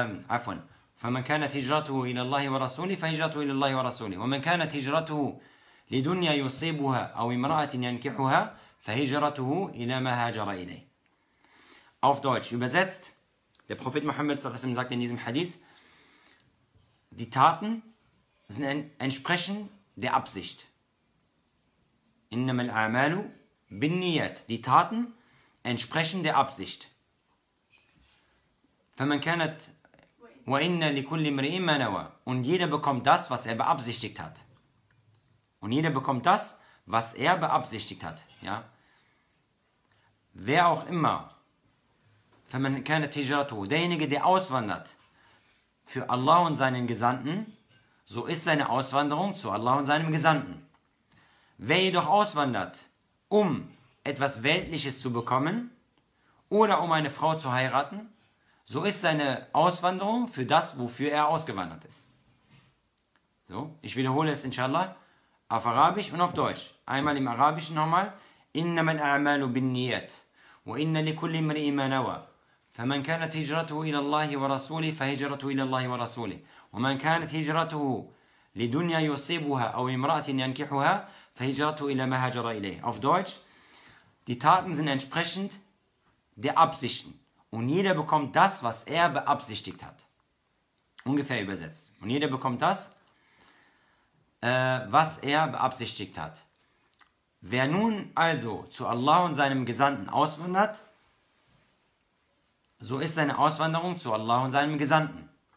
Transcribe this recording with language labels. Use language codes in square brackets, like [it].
[ar] عفوا فمن كانت هجرته إلى الله ورسوله فهجرته إلى الله ورسوله ومن كانت هجرته لدنيا يصيبها أو امرأة ينكحها فهجرته إلى ما هاجر إليه. [de] Auf Deutsch übersetzt, der Prophet Muhammad [ar] صلى الله عليه وسلم [de] sagt in diesem Hadith, die Taten sind entsprechend der Absicht. [ar] Innamal a'malu binniyat. [de] Die Taten entsprechen der Absicht. [ar] فَمَنْ كَانَتْ وَإِنَّ لِكُلِّ امْرِئٍ مَا نَوَى. [de] Und jeder bekommt das, was er beabsichtigt hat. Und jeder bekommt das, was er beabsichtigt hat. Ja? Wer auch immer, [ar] فَمَنْ كَانَتْ هِجْرَتُهُ. [de] Derjenige, der auswandert für Allah und seinen Gesandten, so ist seine Auswanderung zu Allah und seinem Gesandten. Wer jedoch auswandert, um etwas Weltliches zu bekommen oder um eine Frau zu heiraten, so ist seine Auswanderung für das, wofür er ausgewandert ist. So, ich wiederhole es inshallah auf Arabisch und auf Deutsch. Einmal im Arabischen nochmal. [ar] إِنَّمَا الْأَعْمَالُ بِالنِّيَّةِ وَإِنَّ لِكُلِّ امْرِئٍ مَا نَوَى فَمَنْ كَانَتْ هِجْرَتُهُ إِلَى اللَّهِ وَرَسُولِهِ فَهِجْرَتُهُ إِلَى اللَّهِ وَرَسُولِهِ ومن كانت هجرته لدنيا يصيبها أو امرأة ينكحها فهجرته إلى ما هاجر إليه. [de] Auf Deutsch, die Taten sind entsprechend der Absichten. Und jeder bekommt das, was er beabsichtigt hat. Ungefähr übersetzt. Und jeder bekommt das, was er beabsichtigt hat. Wer nun also zu Allah und seinem Gesandten auswandert, so ist seine Auswanderung zu Allah und seinem Gesandten.